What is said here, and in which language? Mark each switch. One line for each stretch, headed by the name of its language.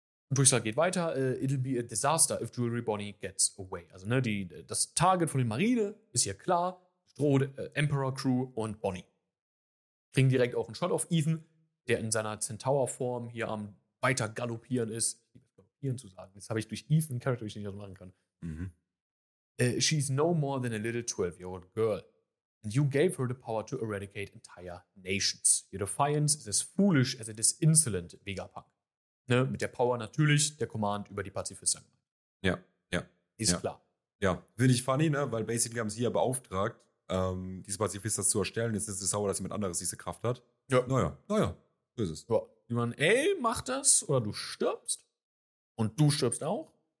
German: Durchsage geht weiter.
English: It'll be a disaster if Jewelry Bonnie gets away.
German: Also, ne, das Target von den Marine ist hier klar. Emperor Crew und Bonnie. Kriegen direkt auch einen Shot auf Ethan, der in seiner Centaur-Form hier am weiter galoppieren ist. Zu sagen. Das habe ich durch Ethan Character, ich nicht das machen kann. Mhm.
English: She's no more than a little 12-year-old girl. And you gave her the power to eradicate entire nations. Your defiance is as foolish as it is insolent, Vegapunk.
German: Ne? Mit der Power natürlich der Command über die Pazifisten. Ja, ja. Ist ja. Klar. Ja, finde ich funny, ne? Weil basically haben sie ja beauftragt, diese Pazifisten zu erstellen. Jetzt ist es sauer, dass jemand anderes diese Kraft hat. Ja. Naja, so ist es. Ja. Die machen, ey, mach das oder du stirbst. Und du stirbst auch.